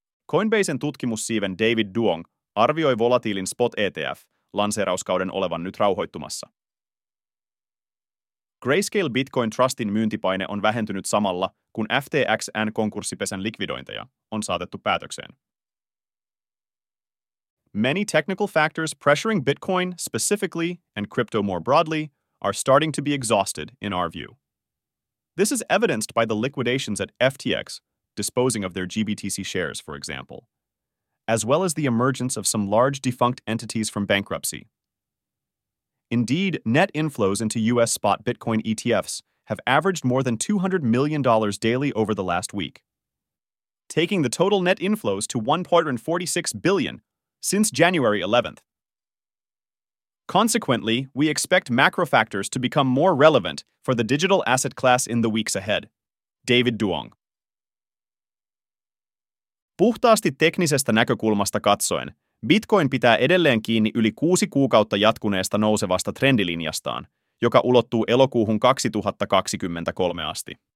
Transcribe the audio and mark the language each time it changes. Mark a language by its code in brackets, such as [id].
[fi] Coinbasen tutkimussiiven David Duong arvioi volatiilin spot ETF-lanseerauskauden olevan nyt rauhoittumassa. Grayscale Bitcoin Trustin myyntipaine on vähentynyt samalla, kun FTXn konkurssipesän likvidointeja on saatettu päätökseen. [en] Many technical factors pressuring Bitcoin specifically and crypto more broadly are starting to be exhausted in our view. This is evidenced by the liquidations at FTX, disposing of their GBTC shares, for example, as well as the emergence of some large defunct entities from bankruptcy. Indeed, net inflows into U.S. spot Bitcoin ETFs have averaged more than $200 million daily over the last week, taking the total net inflows to $1.46 billion since January 11th. Consequently, we expect macro factors to become more relevant for the digital asset class in the weeks ahead. David Duong. [fi] Puhtaasti teknisestä näkökulmasta katsoen, Bitcoin pitää edelleen kiinni yli 6 kuukautta jatkuneesta nousevasta trendilinjastaan, joka ulottuu elokuuhun 2023 asti.